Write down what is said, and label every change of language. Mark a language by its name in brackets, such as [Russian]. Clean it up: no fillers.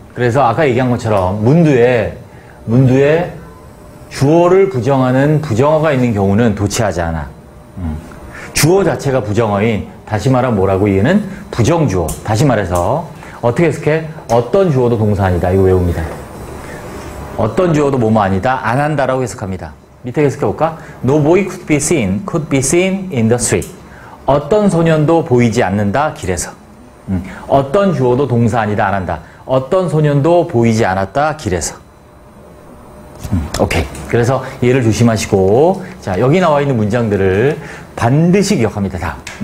[Korean] 그래서 아까 얘기한 것처럼 문두에 주어를 부정하는 부정어가 있는 경우는 도치하지 않아. 주어 자체가 부정어인 다시 말하면 뭐라고 얘는 부정주어. 다시 말해서 어떻게 해석해? 어떤 주어도 동사 아니다. 이거 외웁니다. 어떤 주어도 뭐뭐 아니다. 안 한다라고 해석합니다. 밑에 해석해볼까? [English] No boy could be seen in the street. [Korean] 어떤 소년도 보이지 않는다. 길에서. 어떤 주어도 동사 아니다. 안 한다. 어떤 소년도 보이지 않았다. 길에서. 오케이. 그래서 얘를 조심하시고 자 여기 나와 있는 문장들을 반드시 기억합니다. 다.